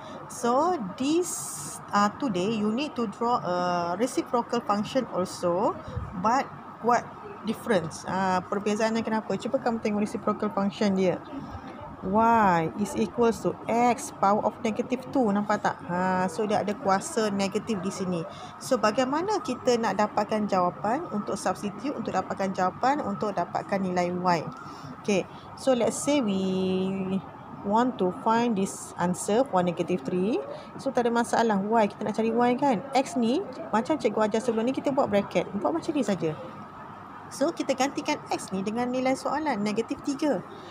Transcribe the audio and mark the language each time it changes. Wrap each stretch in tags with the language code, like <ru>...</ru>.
<en>So this today you need to draw a reciprocal function also, but what difference?</en> <ms>Perbezaannya kenapa? Cuba kamu tengok reciprocal function dia.</ms> <en>Y is equal to x power of negative 2.</en> <ms>Nampak tak? Ha, so dia ada kuasa negatif di sini. So bagaimana kita nak dapatkan jawapan untuk substitute, untuk dapatkan jawapan, untuk dapatkan nilai y?</ms> <en>Okay, so let's say we want to find this answer for negative 3.</en> <ms>So tak ada masalah, y kita nak cari y kan. X ni macam cikgu ajar sebelum ni, kita buat bracket, buat macam ni saja. So kita gantikan x ni dengan nilai soalan negative 3.</ms>